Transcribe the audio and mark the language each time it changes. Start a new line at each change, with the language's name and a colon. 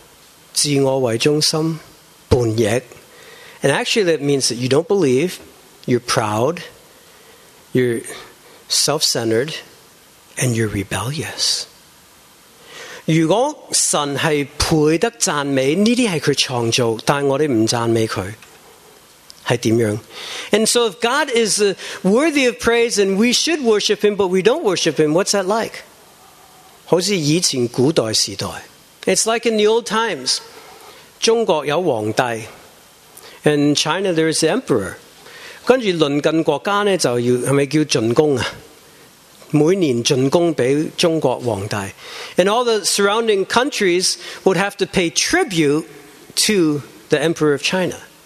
Cantonese: 表示你不信，骄傲，自我为中心，叛逆。
English: And actually that means that you don't believe, you're proud, you're self-centered, and you're rebellious.
Cantonese: 如果神是配得赞美，这些是他创造，但我们不赞美他。是怎样?
English: And so if God is worthy of praise and we should worship him, but we don't worship him, what's that like?
Cantonese: 好像以前古代时代,
English: it's like in the old times.
Cantonese: 中国有皇帝,
English: and China there is the emperor.
Cantonese: 跟着邻近国家呢, 就要, 是不是叫进贡啊? 每年进贡给中国皇帝,
English: and all the surrounding countries would have to pay tribute to the emperor of China.